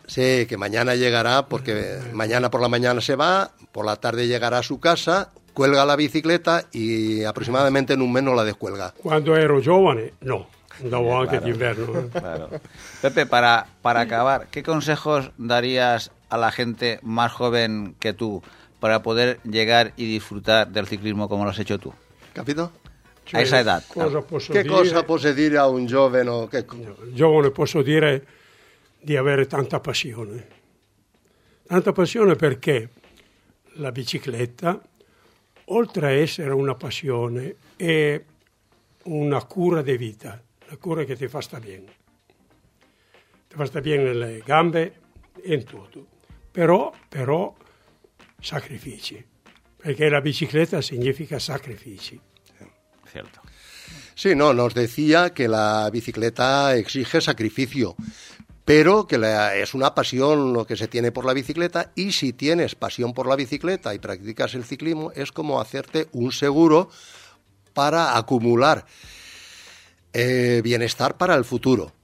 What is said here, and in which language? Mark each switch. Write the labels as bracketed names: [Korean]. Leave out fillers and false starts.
[Spanish] Sí, que mañana llegará, porque mañana por la mañana se va, por la tarde llegará a su casa, cuelga la bicicleta y aproximadamente en un mes no la descuelga. Cuando era joven, no. Andaba sí, antes claro, de invierno. Claro. Pepe, para acabar, ¿qué consejos darías a la gente más joven que tú para poder llegar y disfrutar del ciclismo como lo has hecho tú? [Italian] ¿Capito? [Spanish] Cioè, a esa edad. [Italian] Cosa posso [Spanish] ¿Qué [Italian] dire? Cosa posso dire a un giovane? Giovane posso dire di avere tanta passione. Tanta passione perché la bicicletta, oltre a essere una passione, è una cura di vita, una cura che ti fa stare bene. Ti fa stare bene nelle gambe e in tutto. Però sacrifici, perché la bicicletta significa sacrifici. [Spanish] Cierto. Sí, no, nos decía que la bicicleta exige sacrificio, pero que es una pasión lo que se tiene por la bicicleta, y si tienes pasión por la bicicleta y practicas el ciclismo, es como hacerte un seguro para acumular bienestar para el futuro.